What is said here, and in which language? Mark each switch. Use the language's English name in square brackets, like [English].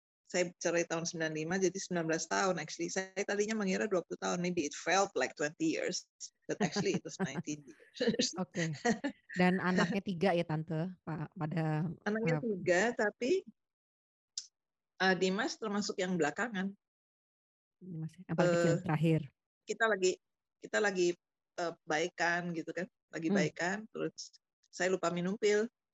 [Indonesian] Saya cerai tahun 95, jadi 19 tahun actually. Saya tadinya mengira 20 tahun, [English] maybe it felt like 20 years, but actually it was 19 years. [Indonesian] Oke. Dan anaknya tiga ya Tante, Pak, pada Anaknya tiga, tapi Dimas termasuk yang belakangan. ini masih yang paling kecil terakhir. Kita lagi baikan gitu kan, lagi baikan, terus saya lupa minum pil.